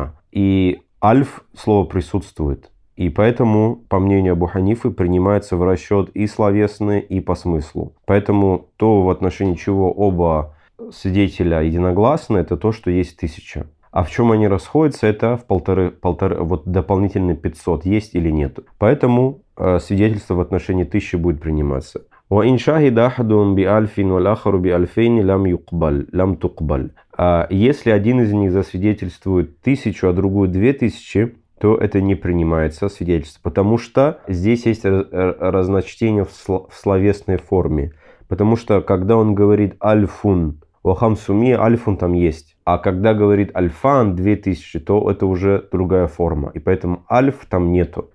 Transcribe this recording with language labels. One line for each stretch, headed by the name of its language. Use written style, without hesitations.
Russian: И альф слово присутствует. И поэтому, по мнению Абу Ханифы, принимается в расчет и словесное, и по смыслу. Поэтому то, в отношении чего оба свидетеля единогласны, это то, что есть 1000. А в чем они расходятся, это в вот дополнительные 500 есть или нет. Поэтому свидетельство в отношении 1000 будет приниматься.
Arabic: وإن شاهد أحد بألف والآخر بألفين لم يقبل لم تقبل.
Russian: Если один из них засвидетельствует 1000, а другой 2000, то это не принимается свидетельство, потому что здесь есть разночтение в словесной форме, потому что когда он говорит
Arabic: альфун ва хамсумия,
Russian: альфун там есть, а когда говорит альфан 2000, то это уже другая форма, и поэтому альф там нету.